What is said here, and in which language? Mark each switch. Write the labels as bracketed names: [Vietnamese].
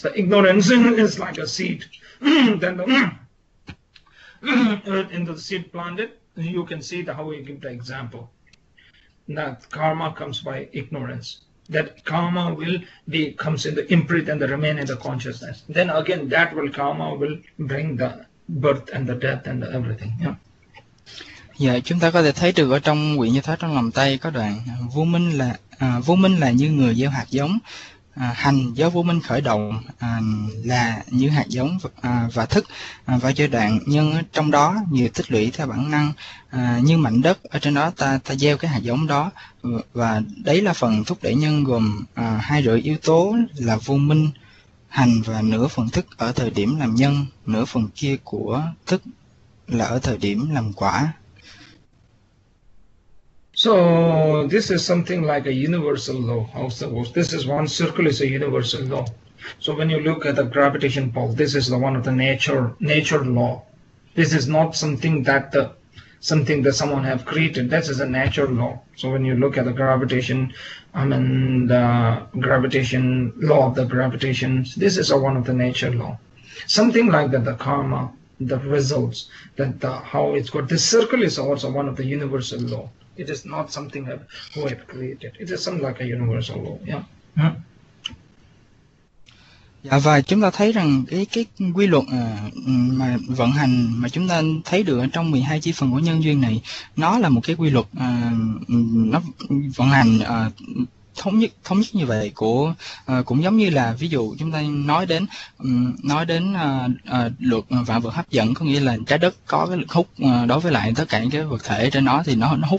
[English] The ignorance is like a seed. Then the earth into the seed planted, you can see the how we give the example. That karma comes by ignorance. That karma will be comes in the imprint and the remain in the consciousness. Then again, that will karma will bring the birth and the death and the everything. [Vietnamese] Dạ, chúng ta có thể thấy được ở trong quyển Như Thế Trong Lòng Tay có đoạn vô minh là như người gieo hạt giống, hành do vô minh khởi động là như hạt giống và thức và giai đoạn nhân trong đó nhiều tích lũy theo bản năng như mảnh đất ở trên đó ta gieo cái hạt giống đó và đấy là phần thúc đẩy nhân gồm hai rưỡi yếu tố là vô minh hành và nửa phần thức ở thời điểm làm nhân, nửa phần kia của thức là ở thời điểm làm quả. [English] So this is something like a universal law. Also, this is one circle is a universal law. So when you look at the gravitation pull, this is the one of the nature law. This is not something that the something that someone have created. This is a natural law. So when you look at the gravitation, I mean the gravitation law of the gravitations, this is a one of the nature law. Something like that, the karma, the results, that the how it's got. This circle is also one of the universal law. It is not something that who have created. It is something like a universal law. [Vietnamese] Dạ, và chúng ta thấy rằng cái quy luật mà vận hành mà chúng ta thấy được ở trong 12 chi phần của nhân duyên này nó là một cái quy luật nó vận hành thống nhất như vậy của cũng giống như là ví dụ chúng ta nói đến luật vạn vật hấp dẫn có nghĩa là trái đất có cái lực hút đối với lại tất cả những cái vật thể trên nó thì nó